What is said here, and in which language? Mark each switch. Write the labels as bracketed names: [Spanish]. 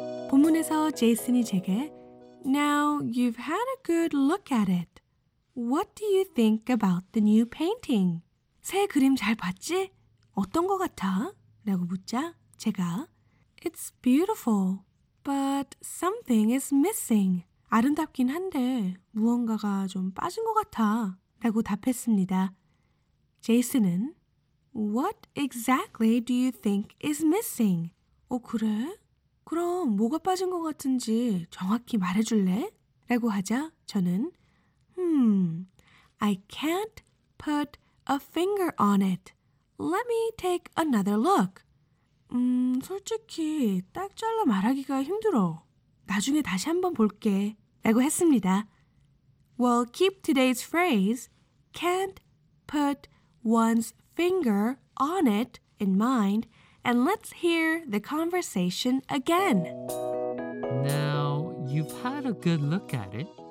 [Korean] 본문에서 제이슨이 제게 [English] Now you've had a good look at it. What do you think about the new painting? [Korean] 새 그림 잘 봤지? 어떤 거 같아? 라고 묻자 제가 [English] It's beautiful, but something is missing. [Korean] 아름답긴 한데 무언가가 좀 빠진 거 같아. 라고 답했습니다. 제이슨은 [English] What exactly do you think is missing? [Korean] 어, 그래? 그럼 뭐가 빠진 것 같은지 정확히 말해줄래? 라고 하자 저는 [English] I can't put a finger on it. Let me take another look. [Korean] 솔직히 딱 잘라 말하기가 힘들어. 나중에 다시 한번 볼게. 라고 했습니다. [English] Well, keep today's phrase, can't put one's finger on it in mind, and let's hear the conversation again. Now, you've had a good look at it.